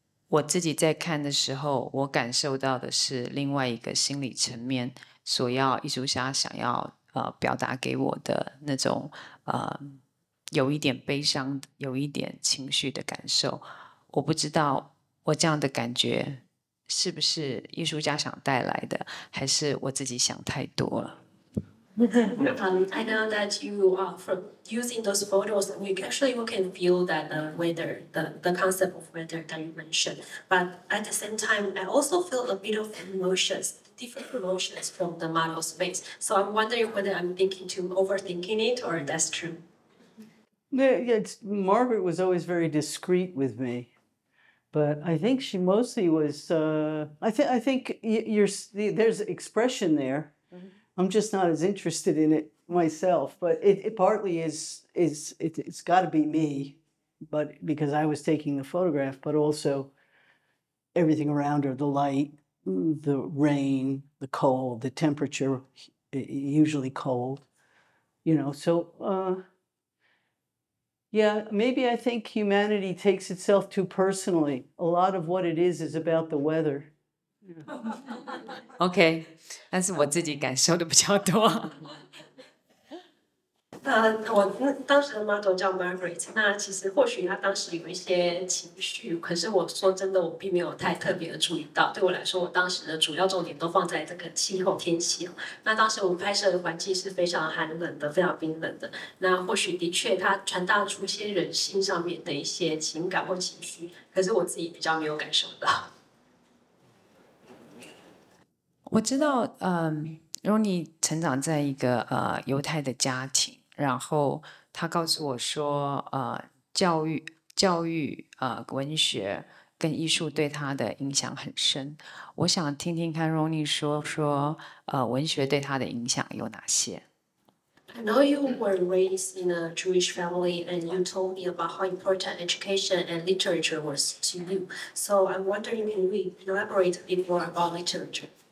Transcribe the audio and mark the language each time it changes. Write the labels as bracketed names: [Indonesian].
[Chinese] 我自己在看的时候，我感受到的是另外一个心理层面所要艺术家想要表达给我的那种有一点悲伤，有一点情绪的感受。我不知道我这样的感觉是不是艺术家想带来的，还是我自己想太多了。 [English] I know that you are from using those photos. We actually we can feel that the weather, the concept of weather that you mentioned. But at the same time, I also feel a bit of emotions, different emotions from the model's face. So I'm wondering whether I'm thinking too, overthinking it, or that's true. Margaret was always very discreet with me. But I think she mostly was, there's expression there. I'm just not as interested in it myself, but it's got to be me, but because I was taking the photograph, but also everything around her, the light, the rain, the cold, the temperature, usually cold, you know. So, maybe I think humanity takes itself too personally. A lot of what it is about the weather. [Chinese] OK, 但是我自己感受的比较多。我当时的 model 叫 Margaret, 那其实或许她当时有一些情绪，可是我说真的我并没有太特别的注意到。对我来说，我当时的主要重点都放在这个气候天气，那当时我们拍摄的环境是非常寒冷的，非常冰冷的，那或许的确它传达出一些人性上面的一些情感或情绪，可是我自己比较没有感受到。我知道，Roni 成长在一个犹太的家庭，然后他告诉我说，教育，文学跟艺术对他的影响很深。我想听听看 Roni 说，文学对他的影响有哪些。 [English] I know you were raised in a Jewish family, and you told me about how important education and literature was to you. So I'm wondering, can we elaborate a bit more about literature?